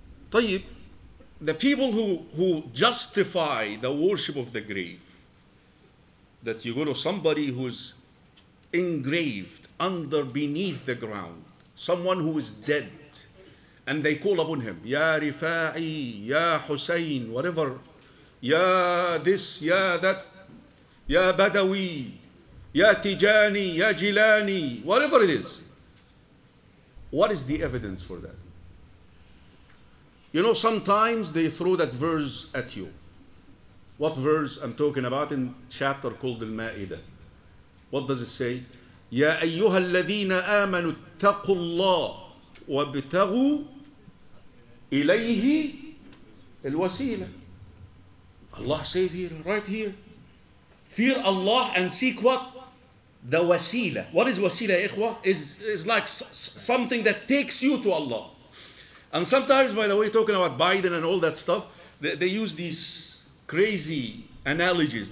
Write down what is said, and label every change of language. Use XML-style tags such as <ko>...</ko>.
<en>طيب, the people who justify the worship of the grave, that you go to somebody who is engraved under beneath the ground, someone who is dead, and they call upon him, Ya Rifa'i, Ya Hussein, whatever, Ya this, Ya that, Ya Badawi, Ya Tijani, Ya Jilani, whatever it is. What is the evidence for that? You know, sometimes they throw that verse at you. What verse I'm talking about in chapter called Al-Ma'idah? What does it say?</en> <ar>Ya أيها الذين آمنوا اتقوا الله وابتغوا إليه الوسيلة.</ar> <en>Allah says here, right here, fear Allah and seek what? The wasila. What is wasila, ikhwa? Is like something that takes you to Allah. And sometimes, by the way, talking about Biden and all that stuff, they use these crazy analogies.</en>